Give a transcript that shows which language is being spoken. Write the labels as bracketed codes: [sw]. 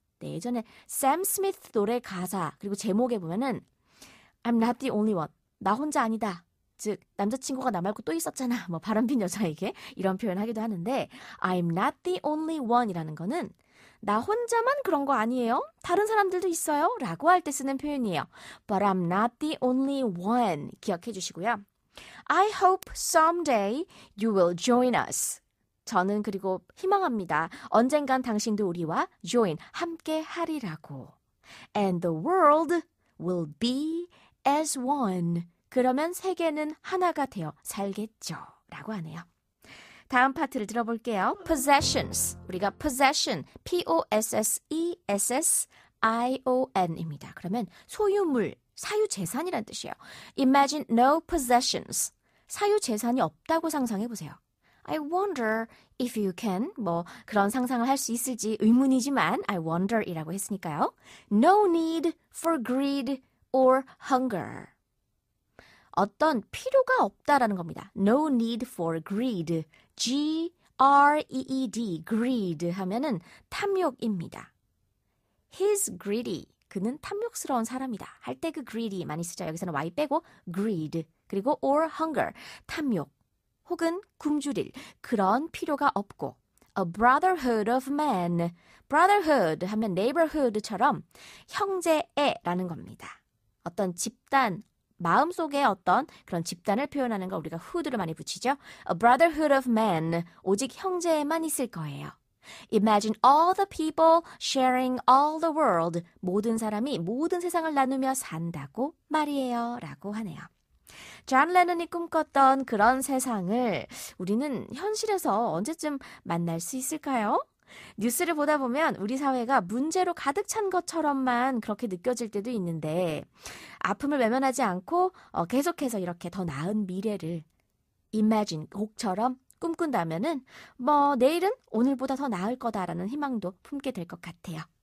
[ko] 네, 예전에 샘 스미스 노래 가사 그리고 제목에 보면은 [en] I'm not the only one. [ko] 나 혼자 아니다. 즉, 남자친구가 나 말고 또 있었잖아. 뭐 바람핀 여자에게 이런 표현 하기도 하는데 [en] I'm not the only one [ko] 이라는 거는 나 혼자만 그런 거 아니에요? 다른 사람들도 있어요? 라고 할 때 쓰는 표현이에요. [en] But I'm not the only one. [ko] 기억해 주시고요. [en] I hope someday you will join us. [ko] 저는 그리고 희망합니다. 언젠간 당신도 우리와 join, 함께 하리라고. [en] And the world will be as one. [ko] 그러면 세계는 하나가 되어 살겠죠. 라고 하네요. 다음 파트를 들어볼게요. Possessions. 우리가 possession. P-O-S-S-E-S-S-I-O-N입니다. 그러면 소유물, 사유재산이란 뜻이에요. [en] Imagine no possessions. [ko] 사유재산이 없다고 상상해보세요. [en] I wonder if you can. [ko] 뭐 그런 상상을 할 수 있을지 의문이지만 [en] I wonder [ko] 이라고 했으니까요. [en] No need for greed or hunger. [ko] 어떤 필요가 없다라는 겁니다. [en] No need for greed. G-R-E-E-D. [ko] Greed 하면은 탐욕입니다. [en] He's greedy. [ko] 그는 탐욕스러운 사람이다. 할 때 그 greedy 많이 쓰죠. 여기서는 Y 빼고 greed. 그리고 [en] or hunger. [ko] 탐욕. 혹은 굶주릴 그런 필요가 없고 [en] A brotherhood of men. [ko] Brotherhood 하면 neighborhood처럼 형제애라는 겁니다. 어떤 집단, 마음속에 어떤 그런 집단을 표현하는 거 우리가 hood를 많이 붙이죠. [en] A brotherhood of men. [ko] 오직 형제애만 있을 거예요. [en] Imagine all the people sharing all the world. [ko] 모든 사람이 모든 세상을 나누며 산다고 말이에요. 라고 하네요. 존 레논이 꿈꿨던 그런 세상을 우리는 현실에서 언제쯤 만날 수 있을까요? 뉴스를 보다 보면 우리 사회가 문제로 가득 찬 것처럼만 그렇게 느껴질 때도 있는데 아픔을 외면하지 않고 계속해서 이렇게 더 나은 미래를 imagine 곡처럼 꿈꾼다면은 뭐 내일은 오늘보다 더 나을 거다라는 희망도 품게 될 것 같아요.